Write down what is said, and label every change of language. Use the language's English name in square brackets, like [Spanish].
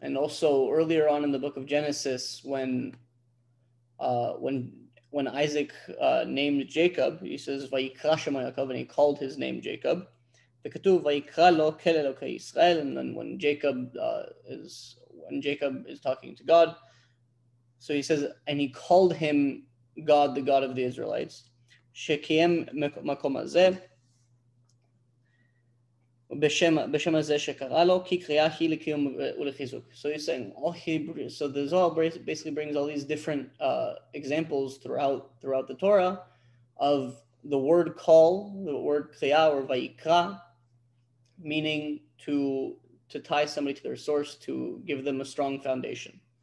[English] And also earlier on in the book of Genesis, when Isaac named Jacob, he says [Hebrew] vayikra shemo Yaakov, [English] and he called his name Jacob. [Hebrew] Vekatuv vayikra lo kel Elokei Yisrael. [English] And then when Jacob is talking to God, so he says, and he called him God, the God of the Israelites. [Hebrew] שקיים מקום הזה בשם הזה שקרא לו, כי קריאה היא לקיום ולחיזוק. [English] So he's saying, oh, so the Zohar basically brings all these different examples throughout the Torah of the word call, the word kriya or vayikra, meaning to tie somebody to their source, to give them a strong foundation.